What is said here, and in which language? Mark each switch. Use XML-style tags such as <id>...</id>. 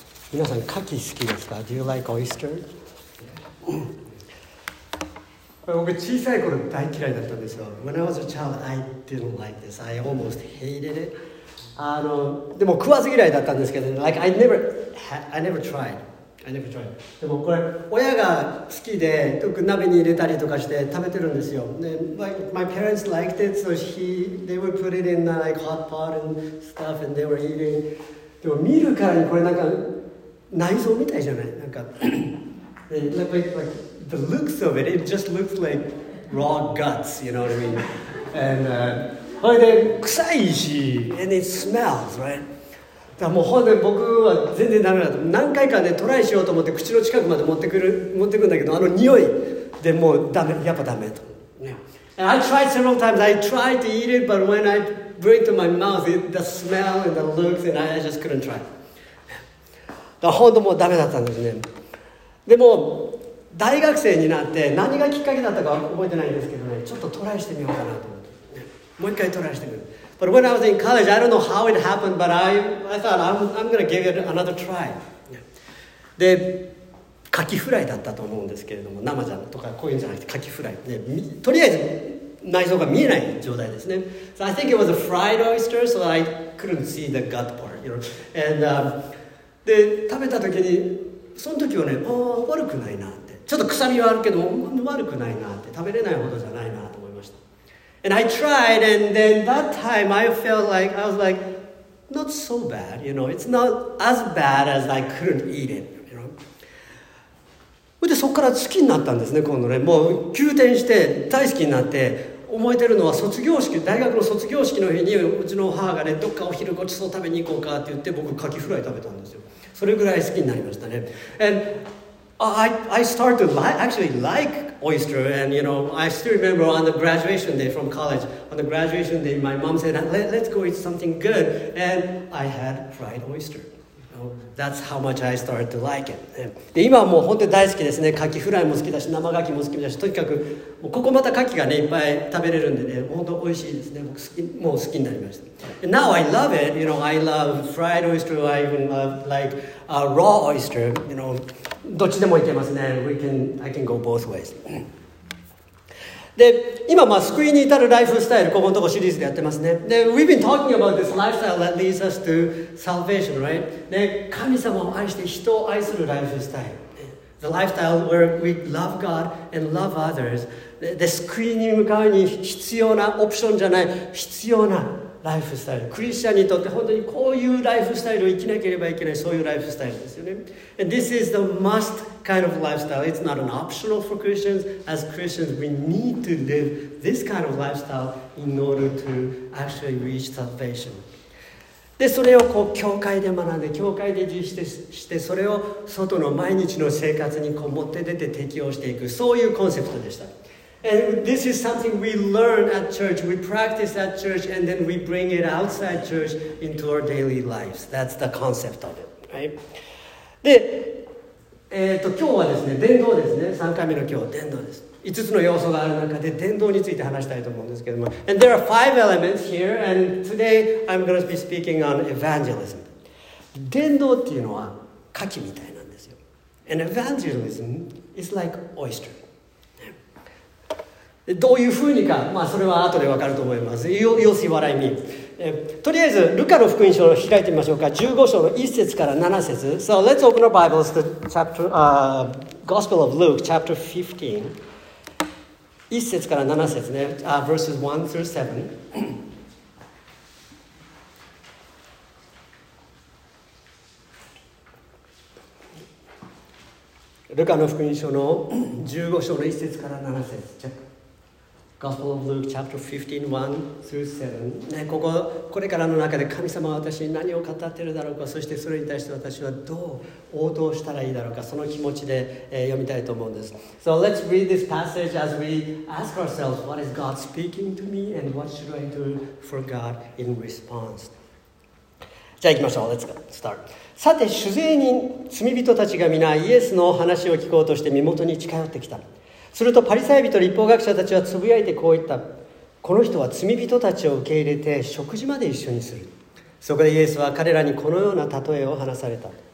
<ja>皆さん、牡蠣好きですか？</ja> <en>Do you like oyster?</en> <ja>僕、小さい頃大嫌いだったんですよ。</ja> <en>When I was a child, I didn't like this. I almost hated it.</en> <ja>でも食わず嫌いだったんですけど、</ja> <en>like, I never tried.</en> <ja>でもこれ、親が好きで、よく鍋に入れたりとかして食べてるんですよ。</ja> <en>で、like, my parents liked it, so they would put it in the, like, hot pot and stuff, and they were eating.</en> <ja>でも見るからにこれなんか、内臓みたいじゃない？なんか、</ja> <en>like, the looks of it, it just looks like raw guts, you know what I mean?</en> <ja>And, それで、臭いし、</ja> <en>and it smells, right?</en> <ja>だからもう本当に僕は全然ダメだと、何回かねトライしようと思って口の近くまで持ってくるんだけど、あの匂いでもうダメ、やっぱダメと。</ja> <en>Yeah. I tried several times. I tried to eat it, but when I bring it to my mouth, the smell and the looks, and I just couldn't try.</en> <ja>だから本当もうダメだったんですね。でも大学生になって何がきっかけだったか覚えてないんですけどね、ちょっとトライしてみようかなと思って。もう一回トライしてみる。</ja> <en>But when I was in college, I don't know how it happened, but I thought I'm gonna give it another try.</en> <ja>で、カキフライだったと思うんですけれども、生じゃんとかこういうんじゃなくてカキフライで、とりあえず内臓が見えない状態ですね。</ja> <en>So I think it was a fried oyster, so I couldn't see the gut part, you know. And</en> <ja>で食べた時に、その時はね、ああ悪くないなって、ちょっと臭みはあるけど悪くないなって、食べれないほどじゃないな。</ja> <en>And I tried, and then that time I felt like, I was like, not so bad, you know, it's not as bad as I couldn't eat it, you know.</en> <ja>で、そこから好きになったんですね、今度ね。もう、急転して大好きになって、覚えてるのは卒業式、大学の卒業式の日に、うちの母がね、どっかお昼ごちそう食べに行こうかって言って、僕、カキフライ食べたんですよ。それぐらい好きになりましたね。</ja> <en>And I started to actually like,oyster, and you know, I still remember on the graduation day from college, on the graduation day, my mom said, let's go eat something good, and I had fried oyster. You know, that's how much I started to like it.</en> <ja>で、今はもう本当に大好きですね。カキフライも好きだし、生ガキも好きだし、とにかく、もうここまたカキがね、いっぱい食べれるんでね、本当美味しいですね。僕好き、もう好きになりました。</ja> <en>And now I love it, you know, I love fried oyster, I even love like raw oyster, you know,</en> <ja>どっちでもいけますね。</ja> <en>I can go both ways.</en> <ja>で、今、まあ、救いに至るライフスタイル、ここのとこシリーズでやってますね。で、</ja> <en>We've been talking about this lifestyle that leads us to salvation, right?</en> <ja>で、神様を愛して人を愛するライフスタイル。</ja> <en>The lifestyle where we love God and love others.</en> <ja>で、救いに向かうに必要なオプションじゃない、必要なライフスタイル。クリスチャンにとって本当にこういうライフスタイルを生きなければいけない、そういうライフスタイルですよね。</ja> <en>And this is the must kind of lifestyle. It's not an optional for Christians. As Christians, we need to live this kind of lifestyle in order to actually reach salvation.</en> <ja>で、それをこう教会で学んで、教会で実施して、それを外の毎日の生活にこう持って出て適応していく、そういうコンセプトでした。</ja> <en>And this is something we learn at church, we practice at church, and then we bring it outside church into our daily lives. That's the concept of it, right?</en> <ja>で、今日はですね、伝道ですね。 3回目の今日、伝道です。5つの要素がある中で、伝道について話したいと思うんですけども。</ja> <en>And there are five elements here, and today I'm going to be speaking on evangelism.</en> <ja>伝道っていうのは、牡蠣みたいなんですよ。</ja> <en>And evangelism is like oyster.</en> <ja>どういうふうにか、まあそれは後でわかると思います。</ja> <en>You'll see what I mean.</en> <ja>とりあえず、ルカの福音書を開いてみましょうか。 15章の1節から7節。</ja> <en>So let's open our Bibles to chapter, Gospel of Luke, chapter 15.</en> <ja>1節から7節ね。</ja> <en>Verses 1 through 7.</en> <ja>ルカの福音書の15章の1節から7節。</ja> <en>Gospel of Luke, chapter 15, 1 through 7.</en> <ja>ね、ここ、これからの中で神様は私に何を語っているだろうか、そしてそれに対して私はどう応答したらいいだろうか、その気持ちで、読みたいと思うんです。</ja> <en>So let's read this passage as we ask ourselves, what is God speaking to me and what should I do for God in response?</en> <ja>じゃあ行きましょう。</ja> <en>Let's start.</en> <ja>さて、主税人、罪人たちが皆イエスの話を聞こうとして身元に近寄ってきた。するとパリサイ人と律法学者たちはつぶやいてこう言った。この人は罪人たちを受け入れて食事まで一緒にする。そこでイエスは彼らにこのような例えを話された。</ja>